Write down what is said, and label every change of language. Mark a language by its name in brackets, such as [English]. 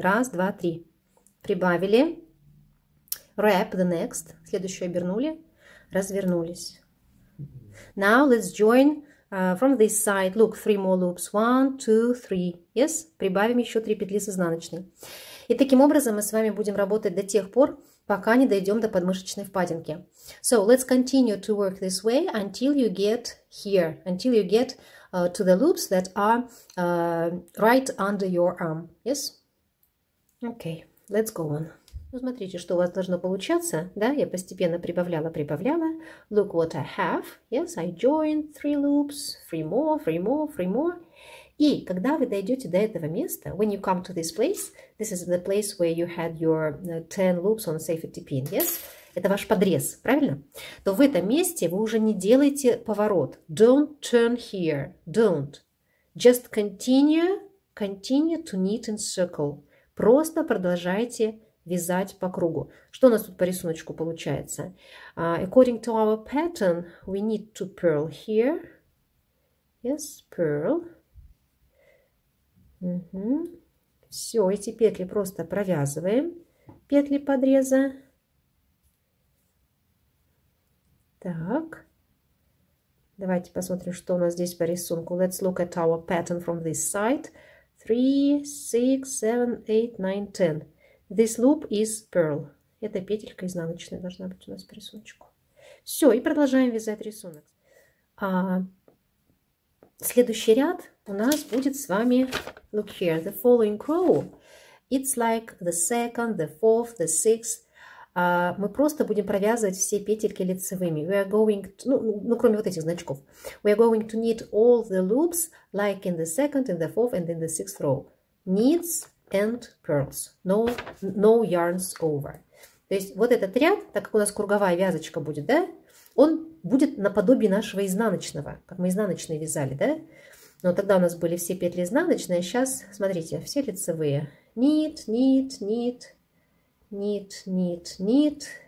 [Russian] 1, 2, 3. Прибавили. [English] Wrap the next. [Russian] Следующую обернули. Развернулись. [English] Now let's join from this side. Look, 3 more loops. 1, 2, 3. Yes? [Russian] Прибавим еще 3 петли с изнаночной. И таким образом мы с вами будем работать до тех пор, пока не дойдем до подмышечной впадинки. [English] So, let's continue to work this way until you get here, until you get to the loops that are right under your arm. Yes? Okay, let's go on. [Russian] Ну, смотрите, что у вас должно получаться, да? Я постепенно прибавляла. [English] Look what I have. Yes, I joined 3 loops, 3 more, 3 more, 3 more. [Russian] И когда вы дойдете до этого места, [English] when you come to this place, this is the place where you had your 10 loops on safety pin, yes? [Russian] Это ваш подрез, правильно? То в этом месте вы уже не делаете поворот. [English] Don't turn here, don't. Just continue to knit in circle. [Russian] Просто продолжайте вязать по кругу. Что у нас тут по рисунку получается? [English] According to our pattern, we need to purl here. Yes, purl. Угу. [Russian] Все, эти петли просто провязываем, петли подреза. Так, давайте посмотрим, что у нас здесь по рисунку. [English] Let's look at our pattern from this side. 3, 6, 7, 8, 9, 10. This loop is purl. [Russian] Эта петелька изнаночная должна быть у нас по рисунку. Все, и продолжаем вязать рисунок. Следующий ряд у нас будет с вами, [English] look here, the following row. It's like the second, the fourth, the sixth. [Russian] Мы просто будем провязывать все петельки лицевыми. [English] We are going to, [Russian] ну, кроме вот этих значков. [English] We are going to knit all the loops like in the second, in the fourth, and in the sixth row. Knits and purls. No yarns over. [Russian] То есть вот этот ряд, так как у нас круговая вязочка будет, да, он будет наподобие нашего изнаночного, как мы изнаночные вязали, да? Но тогда у нас были все петли изнаночные, а сейчас, смотрите, все лицевые. [English] Knit, knit, knit, knit, knit, knit.